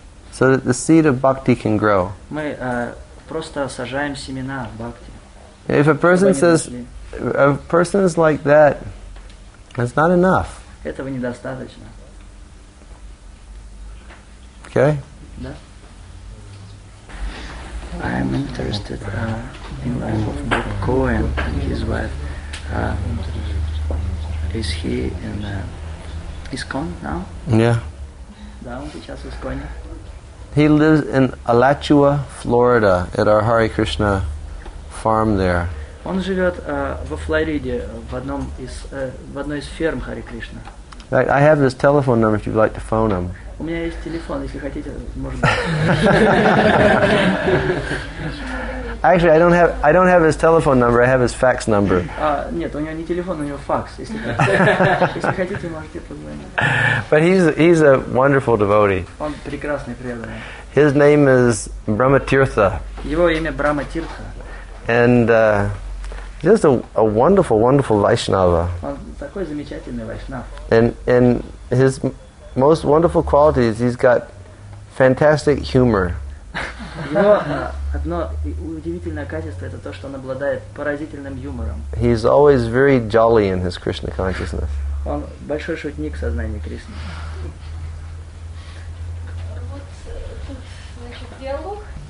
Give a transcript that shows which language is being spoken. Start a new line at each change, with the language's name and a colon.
English: So that the seed of bhakti can grow.
Russian: Мы просто сажаем семена бхакти.
English: If a person says, a person is like that, that's not enough.
Russian: Этого недостаточно.
English: Okay.
Russian: Да.
English: I'm interested in life of Bob Cohen and his wife. Is he in ISKCON now? Yeah.
Russian: Да, он сейчас в ИСККОНе.
English: He lives in Alachua, Florida, at our Hare Krishna farm there.
Russian: Он живет во Флориде в одной из ферм Хари Кришна.
English: I have his telephone number if you'd like to phone him.
Russian: У меня есть телефон, если хотите, можно.
English: Actually, I don't have his telephone number. I have his fax number.
Russian: Нет, у него не телефон, у него факс. Если хотите, можете позвонить.
English: But he's a wonderful devotee.
Russian: Он прекрасный преданный.
English: His name is Brahmatirtha.
Russian: Его имя Брахматирта.
English: And just a wonderful, wonderful Vaishnava.
Russian: Он такой замечательный Вайшнав.
English: And his most wonderful quality is he's got fantastic humor.
Russian: Его одно удивительное качество — это то, что он обладает поразительным юмором.
English: He's always very jolly in his Krishna consciousness.
Russian: Он большой шутник в сознании Кришны. Вот тут, значит, диалог.